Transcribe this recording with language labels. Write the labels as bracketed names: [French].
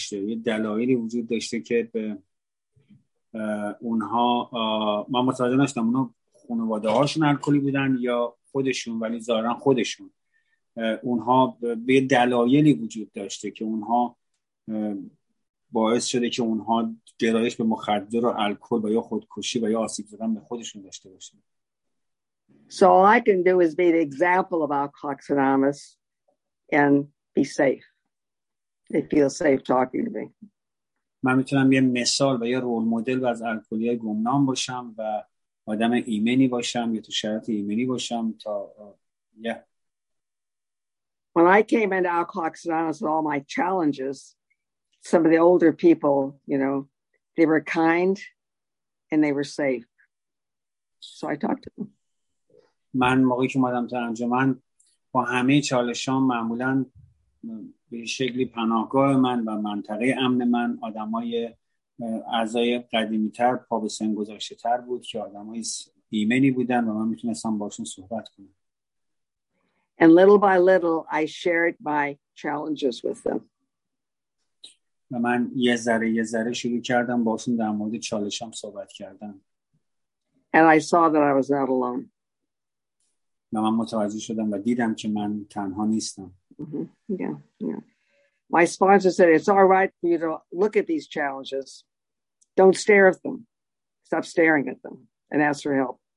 [Persian] یه دلایلی وجود داشته که به اونها من متوجه نشدم اونها خانواده هاشون الکلی بودن یا خودشون، ولی ظاهرا خودشون اونها به دلایلی وجود داشته که اونها باعث شده که اونها گرایش به مخدر و الکل و یا خودکشی و یا آسیب زدن به خودشون داشته باشن. [English] So all I can do is be the example of Alcoholics Anonymous and be safe. They feel safe talking to me. [Persian] من میتونم یه مثال و یه رول مدل و از الکلی گمنام باشم و آدم ایمنی باشم یا تو شرط ایمنی باشم تا [English] When I came into Alcoholics Anonymous with all my challenges, some of the older people, you know, they were kind and they were safe. So I talked to them. [Persian] من موقعی که اومدم تا انجمن با همه چالشام معمولا به شکلی پناهگاه من و منطقه امن من آدمای اعضای قدیمی تر پا به سن گذاشته تر بود که آدم های ایمنی بودن و من میتونستم باشون صحبت کنم. [English] And little by little I shared my challenges with them. [Persian] و من یه ذره شروع کردم باشون در مورد چالشم صحبت کردم. [English] And I saw that I was not alone. [Persian] و من متوجه شدم و دیدم که من تنها نیستم. [English] My sponsor said it's all right for you to look at these challenges. Don't stare at them. Stop staring at them and ask for help.